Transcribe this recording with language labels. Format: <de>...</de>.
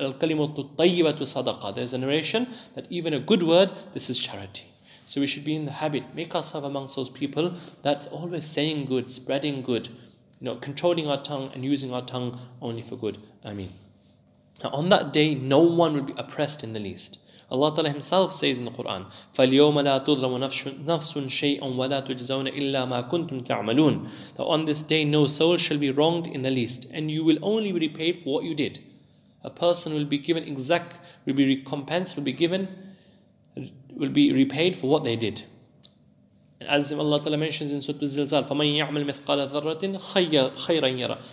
<ar>Al-kalimatu tayyibatu sadaqah.</ar> <en>There's a narration that even a good word, this is charity. So we should be in the habit, make ourselves amongst those people that's always saying good, spreading good, you know, controlling our tongue and using our tongue only for good. Ameen. Now on that day, no one will be oppressed in the least. Allah Ta'ala Himself says in the Quran,</en> <ar>فَالْيَوْمَ لَا تُظْلَمُ نَفْسٌ شَيْئًا وَلَا تُجْزَوْنَ إِلَّا مَا كُنْتُمْ تَعْمَلُونَ.</ar> <en>That on this day no soul shall be wronged in the least, and you will only be repaid for what you did. A person will be given exact, will be recompensed, will be given, will be repaid for what they did. And as Allah Ta'ala mentions in Surah Al-Zilzal,</en> <ar>فَمَنْ يَعْمَلْ مِثْقَالَ ذَرَّةٍ خَيْرًا يَرَى.</ar>